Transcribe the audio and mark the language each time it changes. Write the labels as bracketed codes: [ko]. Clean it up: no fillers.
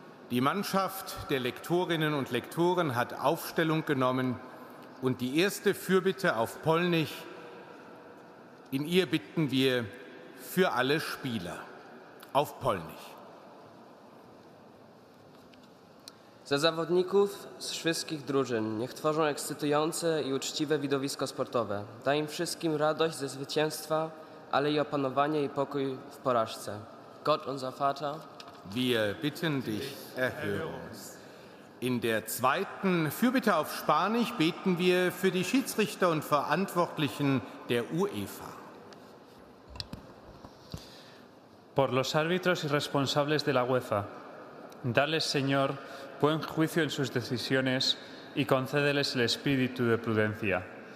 [de] Die Mannschaft der Lektorinnen und Lektoren hat Aufstellung genommen und die erste Fürbitte auf Polnisch. In ihr bitten wir für alle Spieler auf Polnisch. [pl] Dla zawodników z wszystkich drużyn niech tworzą ekscytujące i uczciwe widowisko sportowe. Daj im wszystkim radość ze zwycięstwa, ale i opanowanie i pokój w porażce. [de] Gott, unser Vater, wir bitten dich, erhöre uns. In der zweiten Fürbitte auf Spanisch beten wir für die Schiedsrichter und Verantwortlichen der UEFA. [es] Por los árbitros y responsables de la UEFA, dales, Señor, buen juicio en sus decisiones y concédeles el espíritu de prudencia.